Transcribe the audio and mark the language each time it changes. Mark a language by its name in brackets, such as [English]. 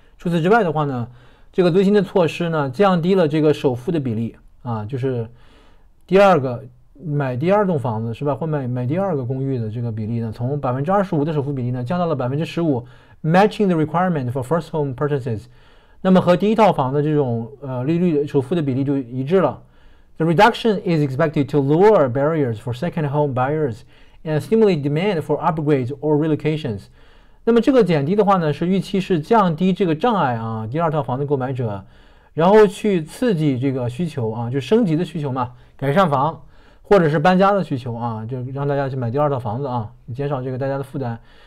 [Chinese] 除此之外的话呢，这个最新的措施呢，降低了这个首付的比例啊，就是。第二个买第二栋房子是吧？或买第二个公寓的这个比例呢，从25%的首付比例呢，降到了15%， [English] matching the requirement for first home purchases。 [Chinese] 那么和第一套房的这种利率首付的比例就一致了。 [English] The reduction is expected to lower barriers for second home buyers and stimulate demand for upgrades or relocations。 [Chinese] 那么这个减低的话呢，是预期是降低这个障碍啊，第二套房的购买者，然后去刺激这个需求啊，就升级的需求嘛。改善房，或者是搬家的需求啊，就让大家去买第二套房子啊，减少这个大家的负担。